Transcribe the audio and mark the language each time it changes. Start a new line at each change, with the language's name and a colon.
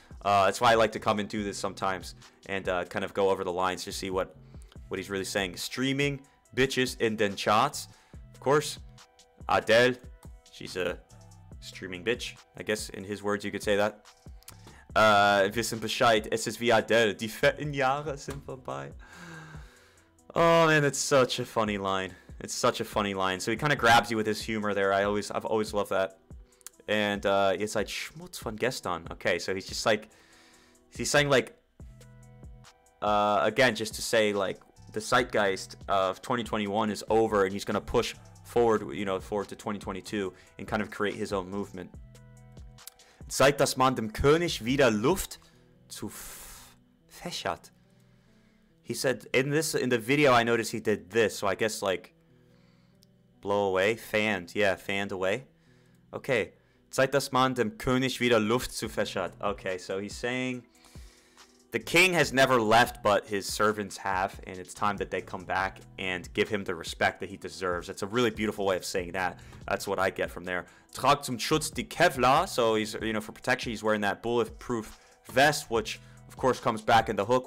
English: That's why I like to come and do this sometimes and kind of go over the lines to see what he's really saying.
German: Streaming bitches in den Charts.
English: Of course, Adele, she's a streaming bitch, I guess in his words you could say that.
German: Wissen Bescheid, es ist wie Adele, die fetten Jahre sind vorbei.
English: Oh man, it's such a funny line. It's such a funny line. So he kind of grabs you with his humor there. I've always loved that. And it's like
German: Schmutz von gestern.
English: Okay, so he's just like, he's saying like, again, just to say like the zeitgeist of 2021 is over, and he's gonna push forward, forward to 2022 and kind of create his own movement.
German: Zeit, dass man dem König wieder Luft zu fächert.
English: He said, in this, in the video, I noticed he did this. So I guess, like, blow away, fanned. Yeah, fanned away. Okay.
German: Zeit, dass man dem König wieder Luft zu fächert.
English: Okay, so he's saying, the king has never left, but his servants have, and it's time that they come back and give him the respect that he deserves. That's a really beautiful way of saying that. That's what I get from there.
German: Trag zum Schutz die Kevlar.
English: So he's, you know, for protection, he's wearing that bulletproof vest, which of course comes back in the hook.